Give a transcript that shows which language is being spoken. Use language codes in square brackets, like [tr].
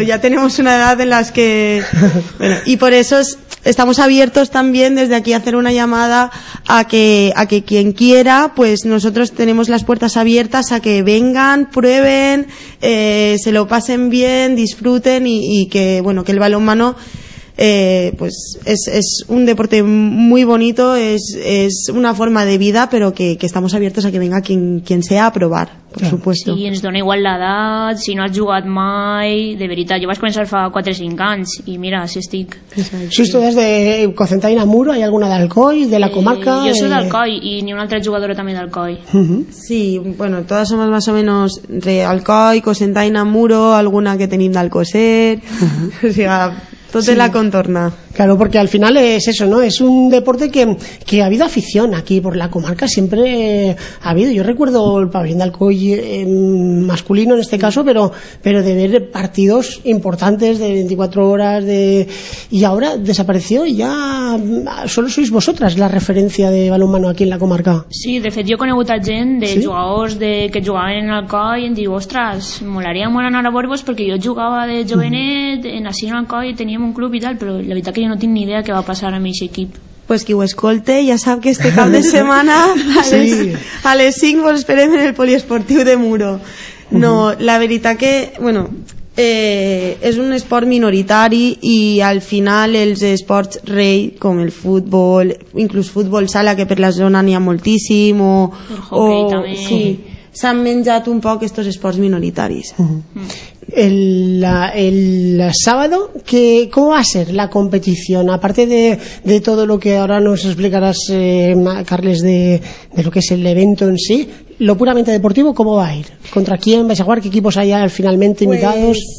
[es] sí. Ya tenemos una edad en las que, bueno, y por eso estamos abiertos también desde aquí a hacer una llamada a que quien quiera, pues nosotros tenemos las puertas abiertas a que vengan, prueben, se lo pasen bien, disfruten y que, bueno, que el balonmano pues es un deporte muy bonito, es una forma de vida, pero que estamos abiertos a que venga quien sea a probar, por supuesto. [ca] Sí, ens dona igual l'edat, si no has jugat mai, de veritat, jo vaig començar fa 4 o 5 anys i mira, si estic. Si tu des de Cocentaina Muro, hi ha alguna d'Alcoi, de la comarca? Jo soc d'Alcoi i n'hi ha una altra jugadora també d'Alcoi. Uh-huh. Sí, bueno, totes som més o menys entre Alcoi, Cocentaina Muro, alguna que tenim d'Alcocer, uh-huh. O sigui, tot de sí. La contorna. [es] Claro, porque al final es eso, ¿no? Es un deporte que ha habido afición aquí por la comarca, siempre ha habido. Yo recuerdo el pabellón de Alcoy masculino en este caso, pero de ver partidos importantes de 24 horas y ahora desapareció y ya solo sois vosotras la referencia de balonmano aquí en la comarca. [ca] Sí, de fet jo he conegut a gent de jugadors de que jugaven en Alcoy i em diu, ostres, molaria molt anar a veure-vos perquè jo jugava de jovenet en així en Alcoy, teníem un club i tal, però la veritat que [es] yo no tengo ni idea qué va a pasar a mi equipo. [ca] Pues que escolte, [es] ya sabe que este [ca] cap de semana a les 5 os esperem en el poliesportiu de Muro. No, la veritat que, bueno, és un esport minoritari i al final els esports rei com el futbol, inclús futbol sala, que per la zona n'hi ha moltíssim, o hockey també. Sí, s'han menjat un poc estos esports minoritaris. [es] El sábado, ¿cómo va a ser la competición? Aparte de todo lo que ahora nos explicarás, Carles, de lo que es el evento en sí, lo puramente deportivo, ¿cómo va a ir? ¿Contra quién vais a jugar? ¿Qué equipos hay finalmente invitados?